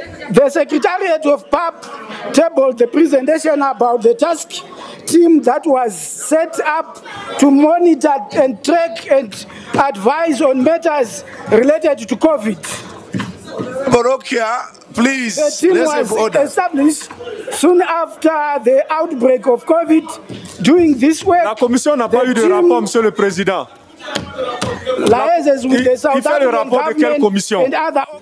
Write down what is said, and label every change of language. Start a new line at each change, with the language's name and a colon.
English: The Secretariat of PAP tabled the presentation about the task team that was set up to monitor and track and advise on matters related to COVID. Barokia, please, let's have order. The team was established soon after the outbreak of COVID. Doing this work,
French: la commission n'a pas eu de rapport, Monsieur le Président.
English: Liaises with the South African government and other.